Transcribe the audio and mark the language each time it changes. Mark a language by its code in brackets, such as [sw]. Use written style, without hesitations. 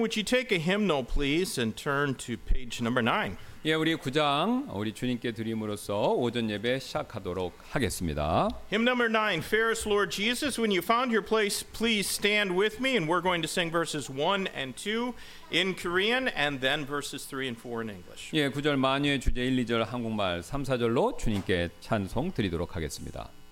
[en] Would you take a hymnal, please, and turn to page number 9. [ko] 예, 우리 9장 우리 주님께 드림으로써 오전 예배 시작하도록 하겠습니다. [en] Hymn number 9, Fairest Lord Jesus, when you found your place, please stand with me, and we're going to sing verses 1 and 2 in Korean, and then verses 3 and 4 in English. [ko] 예, 9절 만유의 주제 1, 2절 한국말 3, 4절로 주님께 찬송 드리도록 하겠습니다.